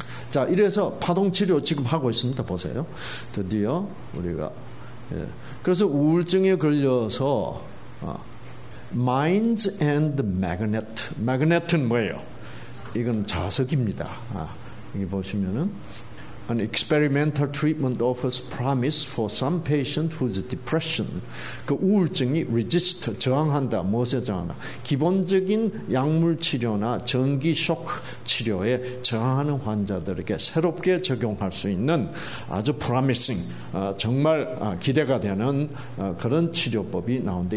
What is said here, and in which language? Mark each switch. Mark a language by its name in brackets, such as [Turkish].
[Korean] 자, 이래서 파동치료 지금 하고 있습니다. 보세요. 드디어 우리가, 예. 그래서 우울증에 걸려서 Minds and Magnet. Magnet은 뭐예요? 이건 자석입니다. 여기 보시면은 [English] An experimental treatment offers promise for some patient whose depression. [Korean] 그 우울증이 resist, 저항한다. 무엇에 저항하나? 기본적인 약물 치료나 전기 쇼크 치료에 저항하는 환자들에게 새롭게 적용할 수 있는 아주 promising, 정말 기대가 되는 그런 치료법이 나온다.